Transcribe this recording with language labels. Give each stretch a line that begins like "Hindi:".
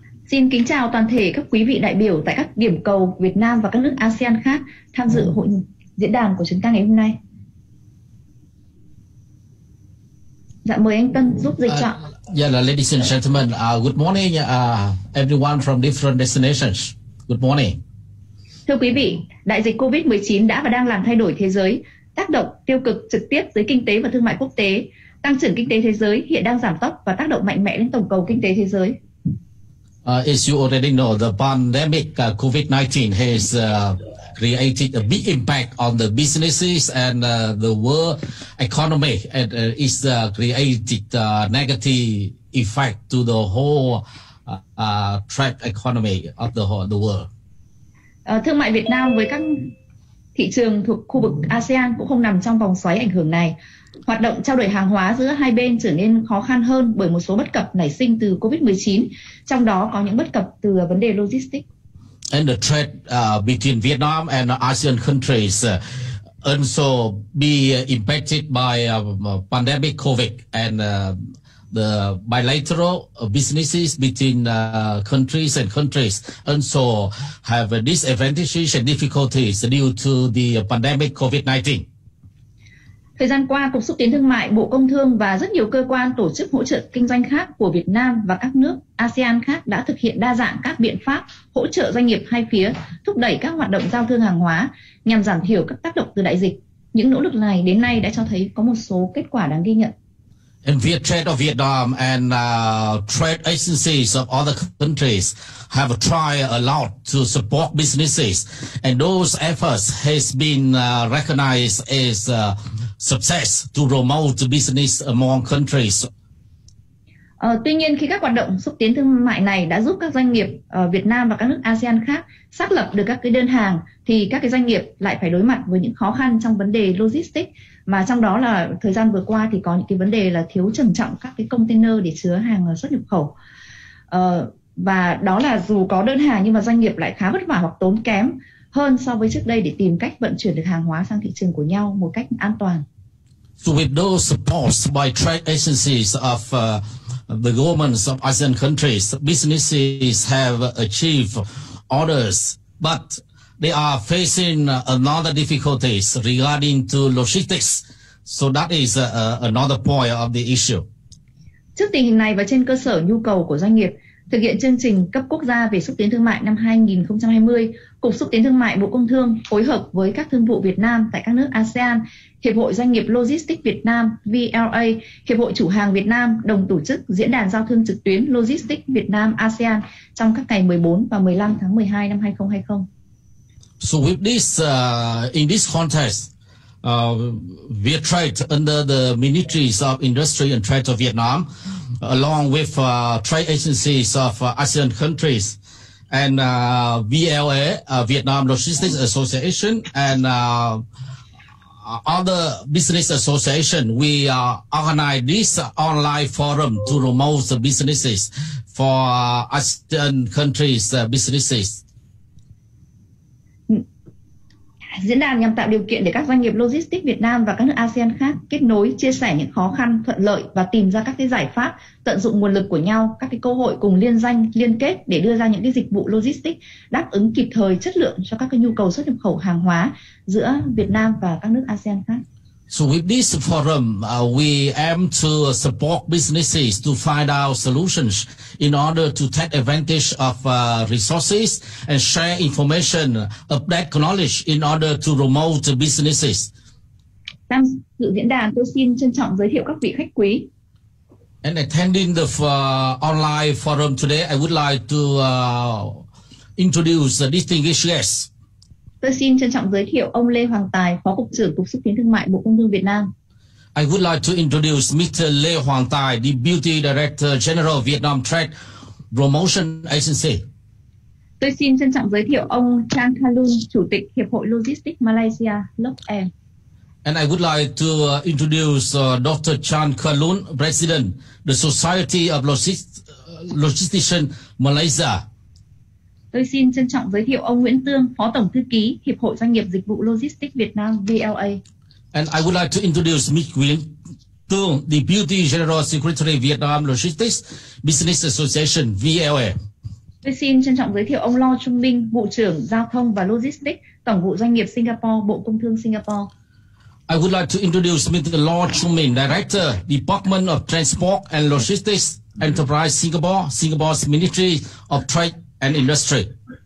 Vietnamese: Xin kính chào toàn thể các quý vị đại biểu tại các điểm cầu Việt Nam và các nước ASEAN khác tham dự hội diễn đàn của chúng ta ngày hôm nay. Dạ mời anh Tân giúp dịch cho.
English: Ladies and gentlemen, good morning, everyone from different destinations. Good morning.
Vietnamese: Thưa quý vị, đại dịch COVID-19 đã và đang làm thay đổi thế giới, tác động tiêu cực trực tiếp tới kinh tế và thương mại quốc tế. Tăng trưởng kinh tế thế giới hiện đang giảm tốc và tác động mạnh mẽ đến tổng cầu kinh tế thế giới.
English: As you already know, the pandemic COVID-19 has created a big impact on the businesses and the world economy, and it's created a negative effect to the whole trade economy of the world.
Vietnamese: Thương mại Việt Nam với các thị trường thuộc khu vực ASEAN cũng không nằm trong vòng xoáy ảnh hưởng này. Hoạt động trao đổi hàng hóa giữa hai bên trở nên khó khăn hơn bởi một số bất cập nảy sinh từ COVID-19, trong đó có những bất cập từ vấn đề logistics.
English: And the trade between Vietnam and ASEAN countries also be impacted by pandemic COVID, and the bilateral businesses between countries and countries also have disadvantages and difficulties due to the pandemic COVID-19.
Vietnamese: Thời gian qua, Cục Xúc tiến Thương mại, Bộ Công Thương và rất nhiều cơ quan tổ chức hỗ trợ kinh doanh khác của Việt Nam và các nước ASEAN khác đã thực hiện đa dạng các biện pháp hỗ trợ doanh nghiệp hai phía thúc đẩy các hoạt động giao thương hàng hóa nhằm giảm thiểu các tác động từ đại dịch. Những nỗ lực này đến nay đã cho thấy có một số kết quả đáng ghi nhận.
English: And Vietjet of Vietnam and trade agencies of other countries have tried a lot to support businesses, and those efforts has been recognized as success to promote business among countries.
Vietnamese: Tuy nhiên, khi các hoạt động xúc tiến thương mại này đã giúp các doanh nghiệp Việt Nam và các nước ASEAN khác xác lập được các cái đơn hàng, thì các cái doanh nghiệp lại phải đối mặt với những khó khăn trong vấn đề logistics, mà trong đó là thời gian vừa qua thì có những cái vấn đề là thiếu trầm trọng các cái container để chứa hàng xuất nhập khẩu. Và đó là dù có đơn hàng nhưng mà doanh nghiệp lại khá vất vả hoặc tốn kém hơn so với trước đây để tìm cách vận chuyển được hàng hóa sang thị trường của nhau một cách an toàn.
English: So with those supports by trade agencies of the governments of ASEAN countries, businesses have achieved orders, but they are facing another difficulties regarding to logistics. So that is another point of the issue.
Vietnamese: Trước tình hình này và trên cơ sở nhu cầu của doanh nghiệp thực hiện chương trình cấp quốc gia về xúc tiến thương mại năm 2020, Cục Xúc tiến Thương mại Bộ Công Thương phối hợp với các thương vụ Việt Nam tại các nước ASEAN, Hiệp hội Doanh nghiệp Logistics Việt Nam VLA, Hiệp hội Chủ hàng Việt Nam đồng tổ chức Diễn đàn Giao thương trực tuyến Logistics Việt Nam ASEAN trong các ngày 14 và 15 tháng 12 năm 2020.
English: So with this, in this context, Vietrade under the Ministries of Industry and Trade of Vietnam, along with trade agencies of ASEAN countries, and VLA, Vietnam Logistics Association, and other business associations, we organize this online forum to promote the businesses for ASEAN countries' businesses.
Vietnamese: Diễn đàn nhằm tạo điều kiện để các doanh nghiệp logistics Việt Nam và các nước ASEAN khác kết nối, chia sẻ những khó khăn, thuận lợi và tìm ra các cái giải pháp, tận dụng nguồn lực của nhau, các cái cơ hội cùng liên danh, liên kết để đưa ra những cái dịch vụ logistics đáp ứng kịp thời, chất lượng cho các cái nhu cầu xuất nhập khẩu hàng hóa giữa Việt Nam và các nước ASEAN khác.
English: So with this forum, we aim to support businesses to find out solutions in order to take advantage of resources and share information, update knowledge in order to promote businesses.
Vietnamese: Tham dự diễn đàn, tôi xin trân trọng giới thiệu các vị khách quý.
English: And attending the online forum today, I would like to introduce the distinguished guests.
Vietnamese: Tôi xin trân trọng giới thiệu ông Lê Hoàng Tài, Phó Cục trưởng Cục Xúc tiến Thương mại Bộ Công Thương Việt Nam.
English: I would like to introduce Mr. Lê Hoàng Tài, Deputy Director General Vietnam Trade Promotion Agency.
Vietnamese: Tôi xin trân trọng giới thiệu ông Chang Kalun, Chủ tịch Hiệp hội Logistics Malaysia, Lok Air.
English: And I would like to introduce Dr. Chang Kalun, President, the Society of Logisticians Malaysia.
Vietnamese: Tôi xin trân trọng giới thiệu ông Nguyễn Tương, Phó Tổng Thư ký Hiệp hội Doanh nghiệp Dịch vụ Logistics Việt Nam VLA.
English: And I would like to introduce Ms. Nguyễn Tương, Deputy General Secretary Vietnam Logistics Business Association VLA.
Vietnamese: Tôi xin trân trọng giới thiệu ông Lo Trung Minh, Vụ trưởng Giao thông và Logistics, Tổng vụ Doanh nghiệp Singapore, Bộ Công Thương Singapore.
English: I would like to introduce Mr. Lo Trung Minh, Director, Department of Transport and Logistics Enterprise Singapore, Singapore's Ministry of Trade and Industry.